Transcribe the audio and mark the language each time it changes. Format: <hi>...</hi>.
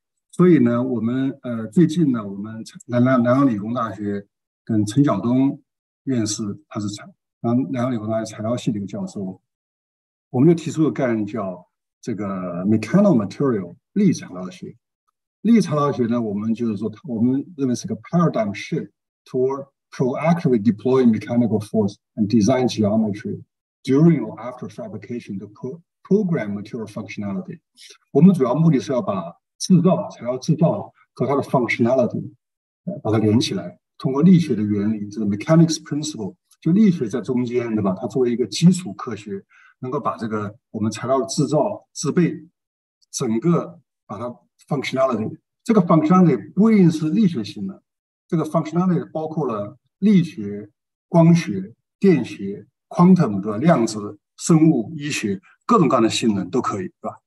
<zh>所以呢，我们最近呢，我们南洋理工大学跟陈晓东院士，他是南洋理工大学材料系的一个教授，我们就提出个概念叫这个 mechanical material 力材料学。力材料学呢，我们就是说，我们认为是个</zh> <en>paradigm shift toward proactively deploying mechanical force and design geometry during or after fabrication to program material functionality。</en> <zh>我们主要目的是要把制造材料制造和它的 functionality 把它连起来。通过力学的原理，这个 mechanics principle， 就力学在中间，对吧？它作为一个基础科学，能够把这个我们材料制造制备整个把它 functionality， 这个 functionality 不一定是力学性的，这个 functionality 包括了力学、光学、电学、 quantum 的量子、生物、医学各种各样的性能都可以，对吧？</zh>